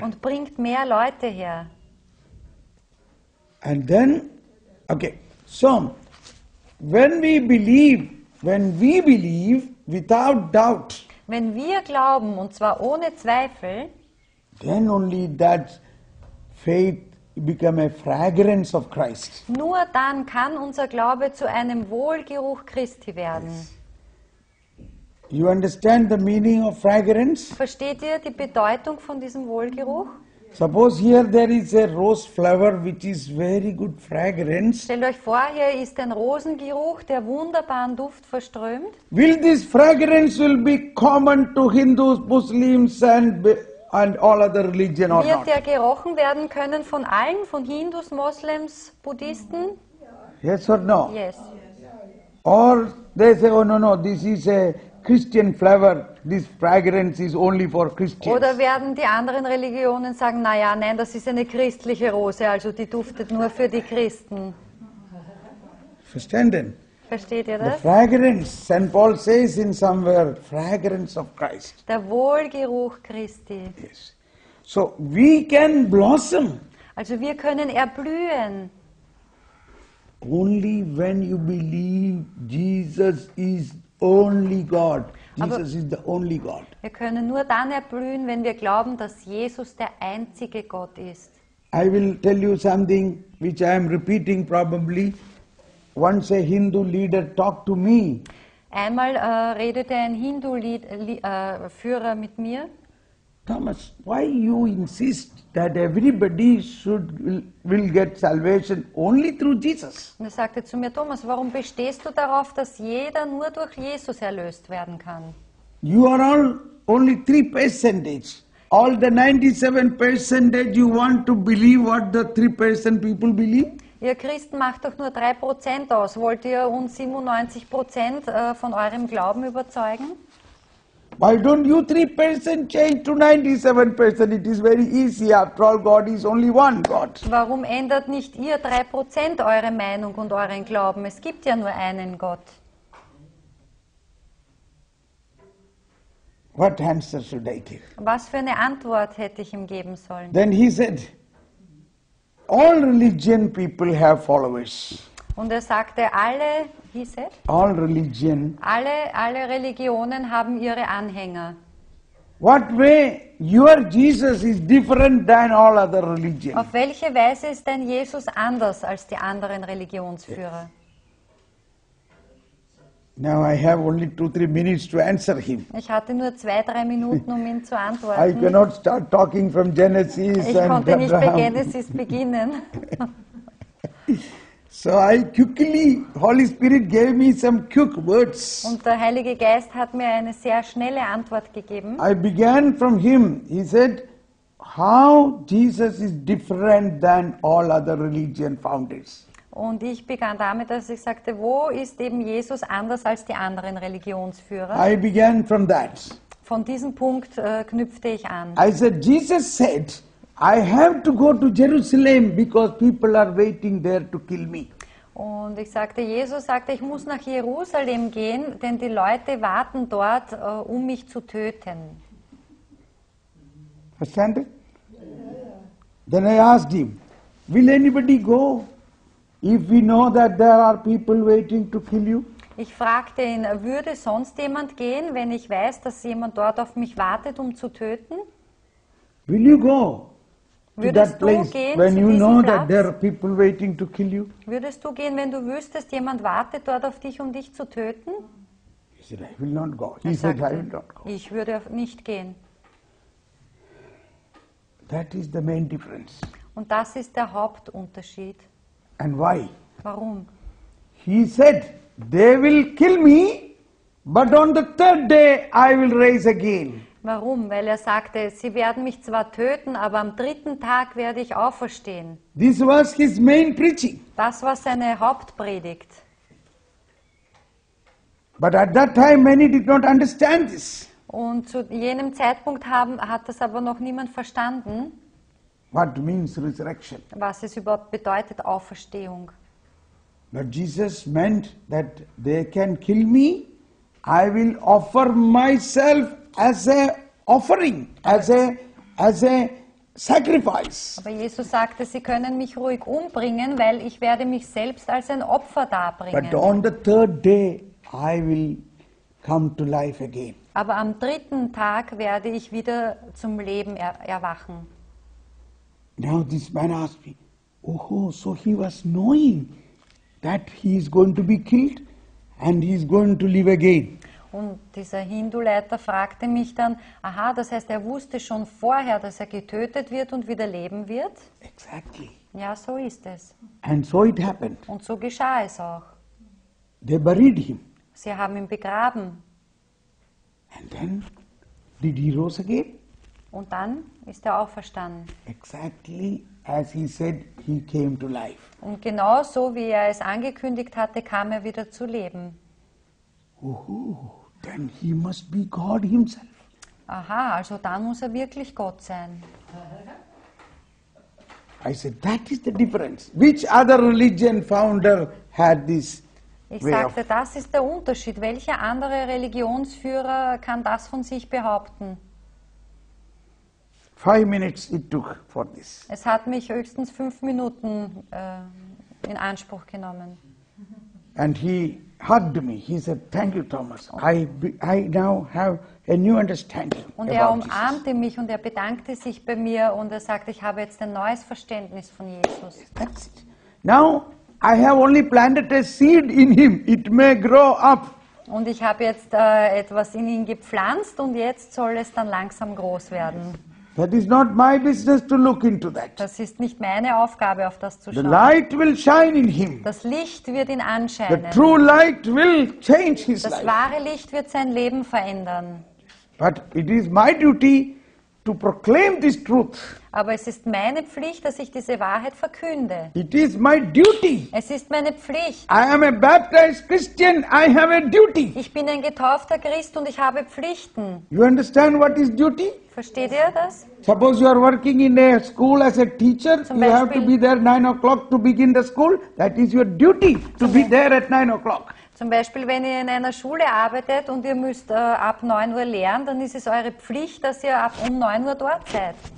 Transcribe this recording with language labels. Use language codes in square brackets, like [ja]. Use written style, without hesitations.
[de] Und bringt mehr Leute her. [en] And then, okay, so when we believe without doubt, [de] wenn wir glauben, und zwar ohne Zweifel, [en] then only that faith become a fragrance of Christ. [de] Nur dann kann unser Glaube zu einem Wohlgeruch Christi werden. [en] Yes. You understand the meaning of fragrance? [de] Versteht ihr die Bedeutung von diesem Wohlgeruch? [en] Suppose here there is a rose flower which is very good fragrance. [de] Stellt euch vor, hier ist ein Rosengeruch, der wunderbaren Duft verströmt. [en] Will this fragrance will be common to Hindus, Muslims and all other religion or not? [de] Wird der gerochen werden können von allen, von Hindus, Moslems, Buddhisten? [en] Yes or no? Yes. Or they say, oh no, this is a Christian flavor. This fragrance is only for Christians. [de] Oder werden die anderen Religionen sagen, nein, das ist eine christliche Rose, also die duftet nur für die Christen. Verstanden? Versteht ihr das? [en] The fragrance, St. Paul says in somewhere, fragrance of Christ. [de] Der Wohlgeruch Christi. [en] Yes. So we can blossom. [de] Also wir können erblühen. [en] Only when you believe Jesus is only God. Jesus is the only God. [de] Wir können nur dann erblühen, wenn wir glauben, dass Jesus der einzige Gott ist. [en] I will tell you something which I am repeating probably. Once a Hindu leader talked to me. [de] Einmal redete ein Hindu-Führer mit mir. [en] Thomas, why you insist that everybody will get salvation only through Jesus? [de] Und er sagte zu mir, Thomas, warum bestehst du darauf, dass jeder nur durch Jesus erlöst werden kann? [en] You are all only 3%. All the 97% you want to believe what the 3% people believe? [de] Ihr Christen macht doch nur 3% aus. Wollt ihr uns 97% von eurem Glauben überzeugen? [en] Why don't you 3% change to 97%? It is very easy. After all, God is only one God. [de] Warum ändert nicht ihr 3% eure Meinung und euren Glauben? Es gibt ja nur einen Gott. [en] What answer should I give? [de] Was für eine Antwort hätte ich ihm geben sollen? [en] Then he said, all religion people have followers. [de] Und er sagte, alle, [en] he said, all religion, [de] alle Religionen haben ihre Anhänger. [en] What way your Jesus is different than all other religions? [de] Auf welche Weise ist denn Jesus anders als die anderen Religionsführer? [en] Yes. Now I have only 2-3 minutes to answer him. [de] Ich hatte nur 2-3 Minuten, um ihn zu antworten. [en] I cannot start talking from Genesis and Abraham. [de] Ich konnte nicht bei Genesis beginnen. [en] So I quickly, Holy Spirit gave me some quick words. [de] Und der Heilige Geist hat mir eine sehr schnelle Antwort gegeben. [en] I began from him. He said, how Jesus is different than all other religion founders. [de] Und ich begann damit, dass ich sagte, wo ist eben Jesus anders als die anderen Religionsführer? [en] I began from that. [de] Von diesem Punkt knüpfte ich an. [en] I said, Jesus said, I have to go to Jerusalem because people are waiting there to kill me. [de] Und ich sagte, Jesus sagte, ich muss nach Jerusalem gehen, denn die Leute warten dort, um mich zu töten. Verstanden? [en] Then I asked him, will anybody go if we know that there are people waiting to kill you? [de] Ich fragte ihn, würde sonst jemand gehen, wenn ich weiß, dass jemand dort auf mich wartet, um zu töten? [en] Will you go? [de] Würdest du gehen, [en] when you know [de] Platz? [en] That there are people waiting to kill you? [de] Würdest du gehen, wenn du wüsstest, jemand wartet dort auf dich, um dich zu töten? [en] He said, I will not go. He said, I will not go. [de] Ich würde nicht gehen. [en] That is the main difference. [de] Und das ist der Hauptunterschied. [en] And why? [de] Warum? [en] He said, they will kill me, but on the third day I will rise again. [de] Warum? Weil er sagte, sie werden mich zwar töten, aber am dritten Tag werde ich auferstehen. [en] This was his main preaching. [de] Das war seine Hauptpredigt. [en] But at that time many did not understand this. [de] Und zu jenem Zeitpunkt hat das aber noch niemand verstanden. [en] What means resurrection? [de] Was es überhaupt bedeutet, Auferstehung. [en] But Jesus meant that they can kill me, I will offer myself as a offering, as a sacrifice. [de] Aber Jesus sagte, sie können mich ruhig umbringen, weil ich werde mich selbst als ein Opfer darbringen. [en] But on the third day I will come to life again. [de] Aber am dritten Tag werde ich wieder zum Leben erwachen. [en] Now this man asked me, oh, so he was knowing that he is going to be killed and he is going to live again. [de] Und dieser Hindu-Leiter fragte mich dann, aha, das heißt, er wusste schon vorher, dass er getötet wird und wieder leben wird. [en] Exactly. [de] Ja, so ist es. [en] And so it happened. [de] Und so geschah es auch. [en] They buried him. [de] Sie haben ihn begraben. [en] And then did he rose again? [de] Und dann ist er auferstanden. [en] Exactly as he said, he came to life. [de] Und genau so, wie er es angekündigt hatte, kam er wieder zu leben. [en] Oho, then he must be God himself. [de] Aha, also dann muss er wirklich Gott sein. [en] I said, that is the difference. Which other religion founder had this? [de] Ich sagte, das ist der Unterschied. Welcher andere Religionsführer kann das von sich behaupten? [en] 5 minutes it took for this. [de] Es hat mich höchstens 5 Minuten in Anspruch genommen. [en] And he hugged me. He said, thank you, Thomas. I now have a new understanding. [de] Und er umarmte mich und er bedankte sich bei mir und er sagte, ich habe jetzt ein neues Verständnis von Jesus. [en] That's it. Now I have only planted a seed in him. It may grow up. [de] Und ich habe jetzt etwas in ihn gepflanzt und jetzt soll es dann langsam groß werden. [en] Yes. That is not my business to look into that. [de] Das ist nicht meine Aufgabe, auf das zu schauen. [en] The light will shine in him. [de] Das Licht wird ihn anscheinen. [en] The true light will change his life. [de] Das wahre Licht wird sein Leben verändern. [en] But it is my duty to proclaim this truth. [de] Aber es ist meine Pflicht, dass ich diese Wahrheit verkünde. [en] It is my duty. [de] Es ist meine Pflicht. [en] I am a baptized Christian. I have a duty. [de] Ich bin ein getaufter Christ und ich habe Pflichten. [en] You understand what is duty? [de] Versteht ihr das? [en] Suppose you are working in a school as a teacher. [de] Zum Beispiel, [en] you have to be there 9 o'clock to begin the school. That is your duty to be there at 9 o'clock. [de] Zum Beispiel, wenn ihr in einer Schule arbeitet und ihr müsst ab 9 Uhr lernen, dann ist es eure Pflicht, dass ihr ab um 9 Uhr dort seid.